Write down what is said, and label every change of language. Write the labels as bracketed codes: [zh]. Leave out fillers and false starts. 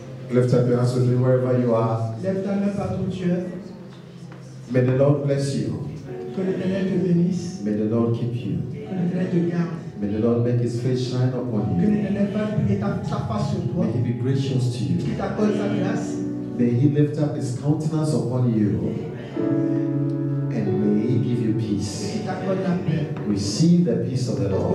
[en] Lift up your hands with me wherever you are. [fr] Lève ta main partout, Dieu. [en] May the Lord bless you. [fr] Que l'Éternel te bénisse. [en] May the Lord keep you. [fr] Que l'Éternel te garde. [en] May the Lord make His face shine upon you. [fr] Que l'Éternel fasse sa face sur toi. [en] May He be gracious to you. [fr] Qu'il t'accorde sa grâce. [en] May He lift up His countenance upon you. Amen. And may He give you peace. [fr] Qu'il t'accorde la paix. [en] Receive the peace of the Lord.